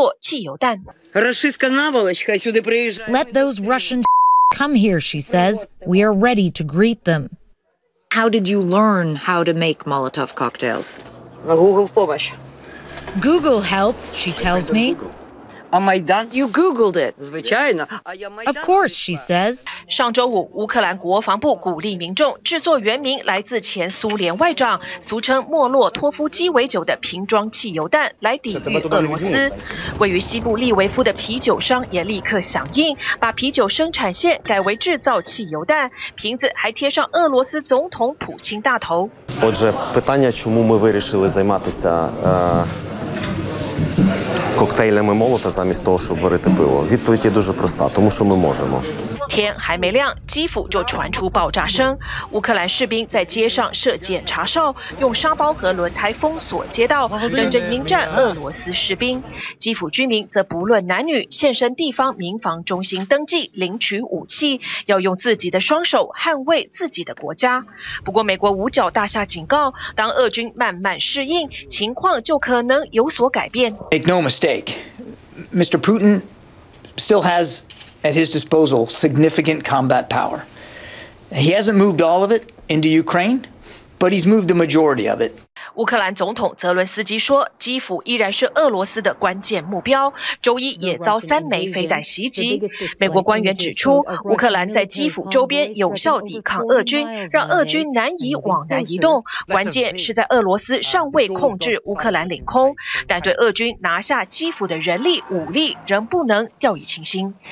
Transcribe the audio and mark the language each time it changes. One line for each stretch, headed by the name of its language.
Chinese: 在基辅东郊，这位退休的经济学家住家前院成了物资存放区，睡袋、睡垫、腌黄瓜和食物要捐给需要的同胞。他自己也在准备应战，手工制作汽油弹。Let
English: those Russian come here, she says. We are ready to greet them. How did you learn how to make Molotov cocktails?
Russian: Google помощь.
English: Google helped, she tells me. You Googled it. Of course, she says.
Chinese: 上周五，乌克兰国防部鼓励民众制作原名来自前苏联外长、俗称莫洛托夫鸡尾酒的瓶装汽油弹，来抵抗俄罗斯。位于西部利维夫的啤酒商也立刻响应，把啤酒生产线改为制造汽油弹，瓶子还贴上俄罗斯总统普京大头。Отже,
Ukrainian: питання, чому ми вирішили займатися коктейлями молота замість того, щоб варити пиво. Відповідь є дуже проста, тому що ми можемо.
Chinese: 天还没亮，基辅就传出爆炸声。乌克兰士兵在街上设检查哨，用沙包和轮胎封锁街道，等着迎战俄罗斯士兵。基辅居民则不论男女，现身地方民防中心登记，领取武器，要用自己的双手捍卫自己的国家。不过，美国五角大厦警告，当俄军慢慢适应，情况就可能有所改变。
English: Make no mistake, Mr. Putin still has at his disposal significant combat power. He hasn't moved all of it into Ukraine, but he's moved the majority of it.
Chinese: 乌克兰总统泽伦斯基说，基辅依然是俄罗斯的关键目标，周一也遭三枚飞弹袭击。美国官员指出，乌克兰在基辅周边有效抵抗俄军，让俄军难以往南移动，关键是在俄罗斯尚未控制乌克兰领空，但对俄军拿下基辅的人力武力仍不能掉以轻心。